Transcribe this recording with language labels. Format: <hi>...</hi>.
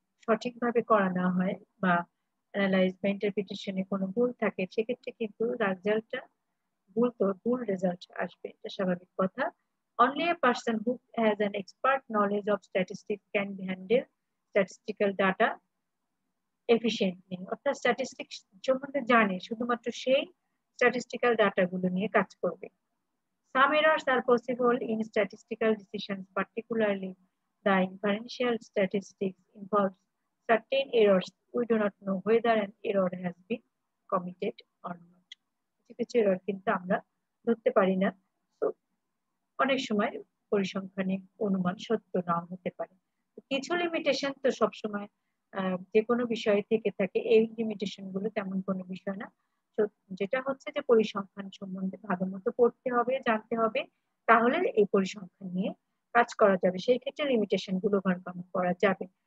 <bn>সঠিকভাবে করা না হয় বা অ্যানালাইজ বা ইন্টারপ্রিটেশনে কোনো ভুল থাকে, সেক্ষেত্রে কিন্তু রেজাল্টটা ভুল তো ভুল রেজাল্ট আসবে, এটা স্বাভাবিক কথা।</bn> <en>only a person who has an expert knowledge of statistics can handle statistical data efficiently,</en> <bn>অর্থাৎ স্ট্যাটিস্টিক্স সম্বন্ধে জানে শুধুমাত্র সেই স্ট্যাটিস্টিক্যাল ডাটাগুলো নিয়ে কাজ করবে।</bn> <en>Some errors are possible in statistical decisions, particularly the inferential statistics involves certain errors. We do not know whether an error has been committed or not.</en> <bn>কিছু error কিন্তু আমরা ধরতে পারি না, তো অনেক সময় পরিসংখ্যানিক অনুমান সত্য নাও হতে পারে। কিছু limitation তো সবসময় যে কোনো বিষয় থেকে থাকে, এই limitation গুলো তেমন কোনো বিষয় না। যেটা হচ্ছে যে পরিসংখ্যান সম্বন্ধে ভালো মতো পড়তে হবে, জানতে হবে, তাহলে এই পরিসংখ্যান নিয়ে কাজ করা যাবে, সেই ক্ষেত্রে লিমিটেশন গুলো ওভারকাম করা যাবে।</bn>